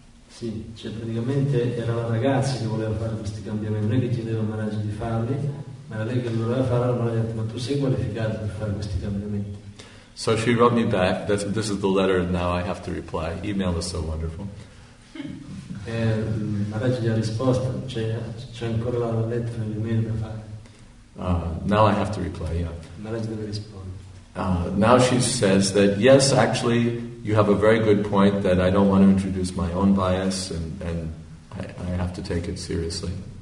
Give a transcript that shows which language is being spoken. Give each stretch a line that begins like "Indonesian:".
Italian: Sì, cioè praticamente era la ragazza che voleva fare questi cambiamenti, non è che chiedeva a Maharaj di farli, ma era lei che voleva fare, allora ha detto, ma tu sei qualificato per fare questi cambiamenti.
English: So she wrote me back, this is the letter now I have to reply, email is so wonderful.
Italian: Maharaj gli ha risposto, c'è ancora la lettera nell'email da fare.
English: Now I have to reply, yeah.
Italian: Maharaj deve rispondere.
English: Now she says that yes, actually, you have a very good point that I don't want to introduce my own bias and I have to take it seriously.